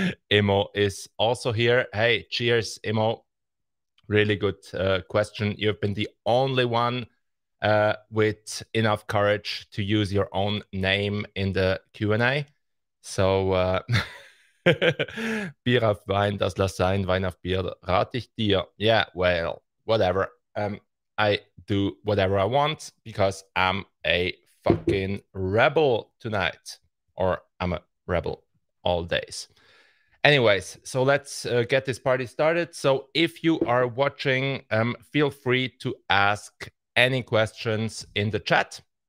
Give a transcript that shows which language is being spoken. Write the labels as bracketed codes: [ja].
[en] Imo is also here. Hey, cheers, Imo. Really good question. You've been the only one with enough courage to use your own name in the Q&A. [de] So, Bier auf Wein, das lass sein, Wein auf Bier, rate ich dir. [en] Yeah, well, whatever. I do whatever I want because I'm a fucking rebel tonight, or I'm a rebel all days. Anyways, so let's get this party started. So if you are watching, feel free to ask any questions in the chat.